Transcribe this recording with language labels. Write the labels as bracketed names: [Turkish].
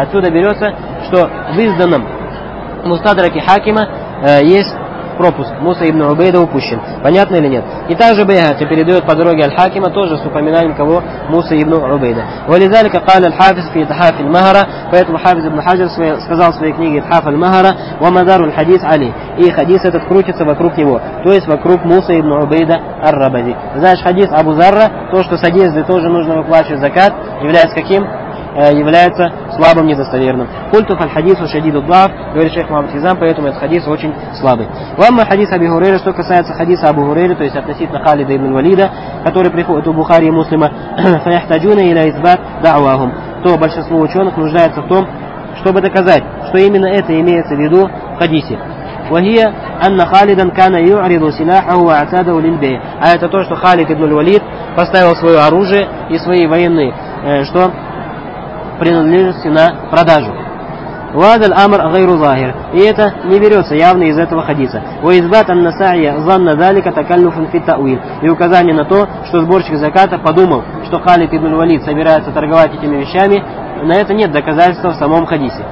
[Russian] Отсюда берется, что в изданном Мустадраке Хакима есть пропуск. Муса ибн Убейда упущен. Понятно или нет? И также Байхаки передает по дороге Аль-Хакима тоже с упоминанием кого? Муса ибн Убейда. [Arabic] Вализалика قال الحافظ في تحاف المهرة. [Russian] Поэтому Хафиз ибн Хаджар сказал в своей книге تحاف المهرة [Arabic] ومدار الحديث عليه. [Russian] И хадис этот крутится вокруг него. То есть вокруг Муса ибн Убейда ар-Рабади. Знаешь, хадис Абу Зарра, то, что с одежды тоже нужно выплачивать закат, является каким? Является слабым, недостоверным. [Arabic] Культуф аль-хадису шадиду дуаф, [Russian] говорит шейх Мухаммад Хизам, поэтому этот хадис очень слабый. Вамма хадис Абу Хурейры, что касается хадиса Абу Хурейры, то есть относительно Халида ибн Валида, который приходит у Бухари и Муслима, [Arabic] фаяхтаджуна иля избат дауахум, [Russian] то большинство ученых нуждается в том, чтобы доказать, что именно это имеется в виду в хадисе. [Arabic] وهي أن خالد كان يعرض سلاحه وأعتاده للبيع. [Russian] А это то, что Халид ибн Валид поставил свое оружие и свои военные, что принадлежности на продажу. [Arabic] Вазал амр гайру захир. [Russian] И это не берется явно из этого хадиса. [Arabic] Уизбат ан-насаия занна залика такаллуфун фи тауил. [Russian] И указание на то, что сборщик заката подумал, что Халид ибн Валид собирается торговать этими вещами, на это нет доказательства в самом хадисе.